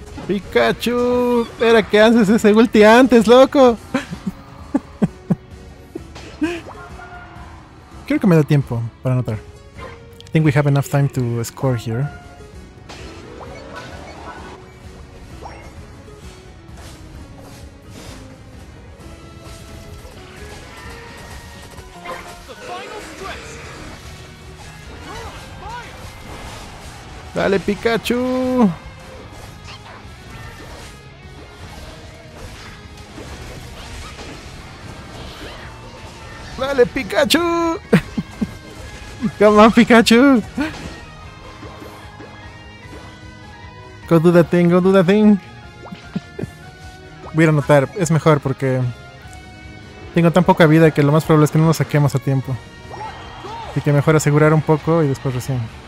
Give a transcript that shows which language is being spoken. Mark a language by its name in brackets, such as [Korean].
[Spanish] ¡Pikachu! ¡Era que haces ese ulti antes, loco! Creo que me da tiempo para anotar. [English] I think we have enough time to score here. [Spanish] ¡Dale, Pikachu! ¡Dale, [English] Pikachu! ¡Come on, Pikachu! Go do that thing, go do that thing. [Spanish] Voy a anotar, es mejor porque... tengo tan poca vida que lo más probable es que no nos saquemos a tiempo. Así que mejor asegurar un poco y después recién.